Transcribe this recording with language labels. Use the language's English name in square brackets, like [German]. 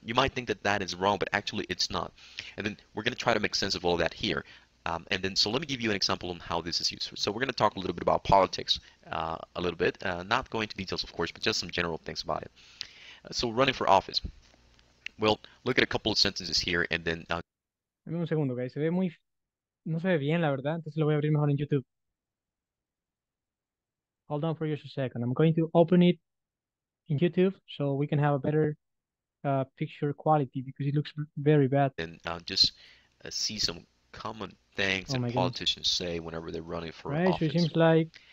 [English] You might think that that is wrong, but actually it's not. And then we're going to try to make sense of all of that here. And then, so let me give you an example on how this is used. So we're going to talk a little bit about politics a little bit. Not going into details, of course, but just some general things about it. So running for office. Well, look at a couple of sentences here, and then. [Spanish] Dame un segundo, guys. Se ve muy, no se ve bien, la verdad. Entonces lo voy a abrir mejor en YouTube. [English] Hold on for just a second. I'm going to open it in YouTube so we can have a better picture quality because it looks very bad. And just see some common things that politicians say whenever they're running for office. Right.